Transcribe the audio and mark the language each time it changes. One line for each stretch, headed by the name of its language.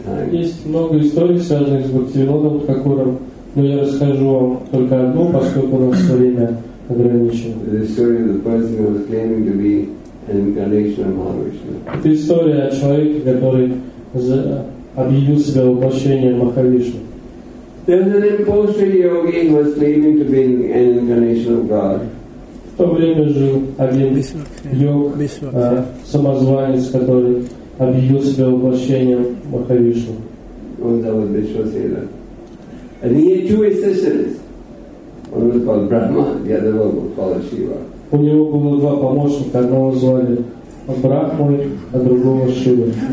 Russian: Есть много историй, связанных с Бхактивинодом Тхакуром, но я расскажу вам только одну, поскольку у нас время ограничено. Это история о человеке, который объявил себя воплощением Махавишну.
English: There was an impostor yogi who was claiming to be an incarnation of God.
Russian: В то время жил один йог, самозванец, который объявил себя воплощением Махавишну.
English: And he had two assistants. One was called Brahma, the other one was called Shiva.
Russian: У него было два помощника, одного звали Брахмой, а другого Шивой.